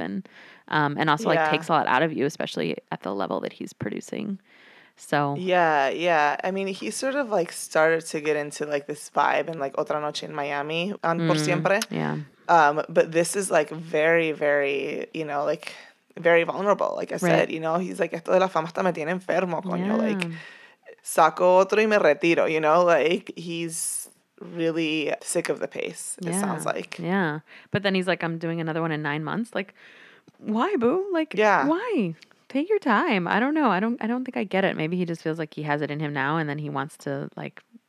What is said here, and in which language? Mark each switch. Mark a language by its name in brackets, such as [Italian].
[English] And also like takes a lot out of you, especially at the level that he's producing. So. Yeah. Yeah. I mean, he sort of like started to get into like this vibe and like Otra Noche in Miami and Por Siempre. Yeah. But this is like very, very, you know, like very vulnerable. Like I said, you know, he's like, [Spanish] esto de la fama hasta me tiene enfermo, coño. [English] Yeah. Like, [Spanish] saco otro y me retiro, [English] you know, like he's really sick of the pace, it sounds like. Yeah. But then he's like, I'm doing another one in 9 months. Like, why, boo? Like, why? Take your time. I don't know. I don't think I get it. Maybe he just feels like he has it in him now and then he wants to like